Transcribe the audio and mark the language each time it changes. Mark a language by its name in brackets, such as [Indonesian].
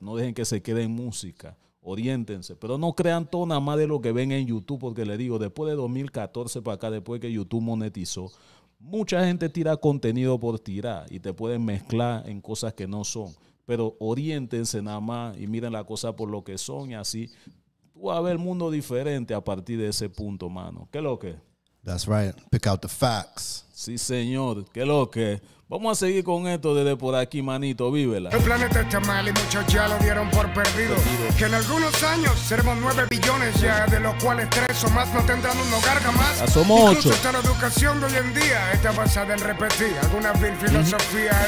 [Spanish] No dejen que se quede en música. Oriéntense, pero no crean todo nada más de lo que ven en YouTube, porque le digo, después de 2014 para acá, después que YouTube monetizó, mucha gente tira contenido por tirar y te pueden mezclar en cosas que no son. Pero oriéntense nada más y miren la cosa por lo que son, y así tú vas a ver el mundo diferente a partir de ese punto, mano. ¿Qué es lo que? [English] That's right, pick out the facts. [Spanish] Sí, señor, ¿qué es lo que? Vamos a seguir con esto desde por aquí, manito, vívela. El planeta está mal y muchos ya lo dieron por perdido. Que en algunos años seremos 9 billones ya, de los cuales 3 o más no tendrán un hogar jamás. Ya somos 8. Incluso la educación de hoy en día está basada en repetir alguna vil filosofía. Mm-hmm.